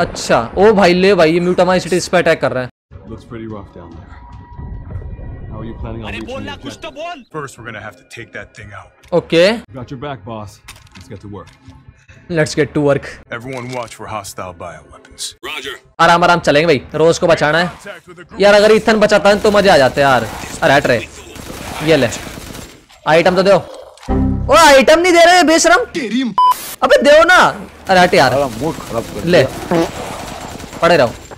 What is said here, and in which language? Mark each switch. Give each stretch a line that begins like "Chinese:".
Hindi: अच्छा ओ भाई ले भाई, ये म्यूटा माई सीट इस पर अटैक कर रहे हैं।
English: Looks pretty rough down there. How are you planning on reaching it?
Hindi: Kuch to bol.
English: First we're going to have to take that thing out. Okay. Got your back boss. Let's get to work. Let's get to work. Everyone watch for hostile bioweapons. Roger.
Hindi: आराम आराम चलेंगे भाई, रोज को बचाना है यार। अगर Ethan बचाता है तो मजे आ जाते यार। अरे हट रे, ये ले आइटम तो दो। ओ आइटम नहीं दे रहे बेशरम। तेरी अबे दो ना। अरे हट यार, मूड खराब कर ले, पड़े रहो।